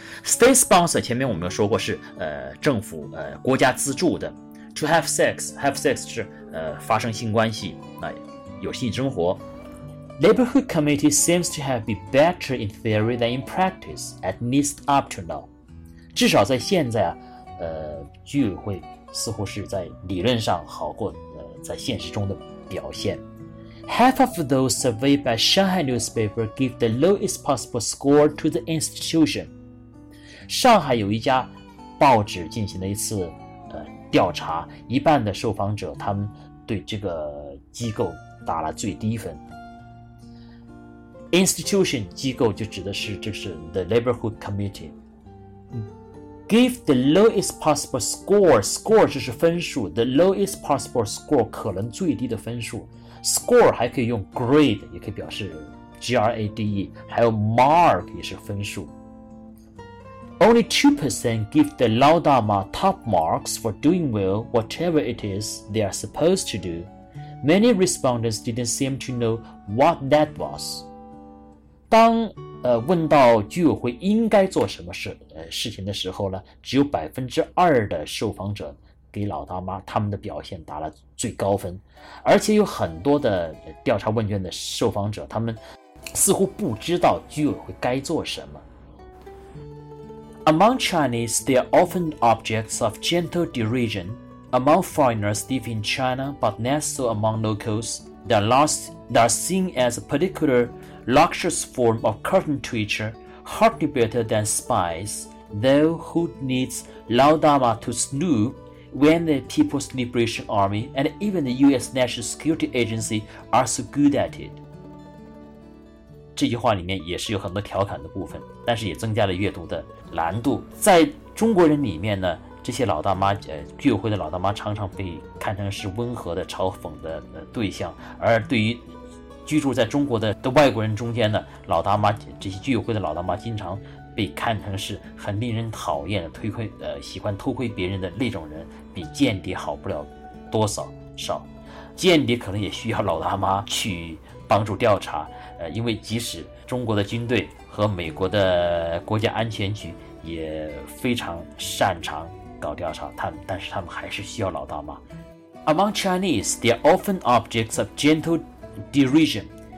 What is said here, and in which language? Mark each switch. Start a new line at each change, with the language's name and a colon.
English: State sponsored
Chinese: 前面我们说过是政府国家资助的。
English: To have sex, have sex
Chinese: 是发生性关系，那有性生活。
English: Neighborhood committee seems to have been better in theory than in practice, at least up to now.
Chinese: 至少在现在啊，居委会似乎是在理论上好过在现实中的表现。
English: Half of those surveyed by Shanghai newspaper give the lowest possible score to the institution.
Chinese: 上海有一家报纸进行了一次调查，一半的受访者他们对这个机构打了最低分。
English: Institution
Chinese: 机构就指的是就是
English: The Neighborhood Committee Give the lowest possible score.
Chinese: Score 就是分数，
English: The lowest possible score
Chinese: 可能最低的分数。 Score 还可以用 grade 也可以表示 grade， 还有 mark 也是分数。
English: Only 2% give the Lao Dharma top marks for doing well, whatever it is they are supposed to do. Many respondents didn't seem to know what that was.
Chinese: 当问到居委会应该做什么事情的时候呢，只有 2% 的受访者给老大妈他们的表现打了最高分。而且有很多的调查问卷的受访者，他们似乎不知道居委会该做什么。
English: Among Chinese, they are often objects of gentle derision. Among foreigners live in China, but less so among locals, they are seen as a particular luxurious form of curtain twitcher, hardly better than spies, though who needs Lao Dharma to snoop when the People's Liberation Army and even the US National Security Agency are so good at it.
Chinese: 这句话里面也是有很多调侃的部分，但是也增加了阅读的难度。在中国人里面呢，这些老大妈居委会的老大妈常常被看成是温和的嘲讽的对象，而对于居住在中国 的外国人中间呢，老大妈这些居委会的老大妈经常被看成是很令人讨厌的喜欢偷窥别人的那种人，比间谍好不了多少。间谍可能也需要老大妈去帮助调查，因为即使中国的军队和美国的国家安全局也非常擅长搞调查，但是他们还是需要老大妈。
English: Among Chinese, they are often objects of gentle derision.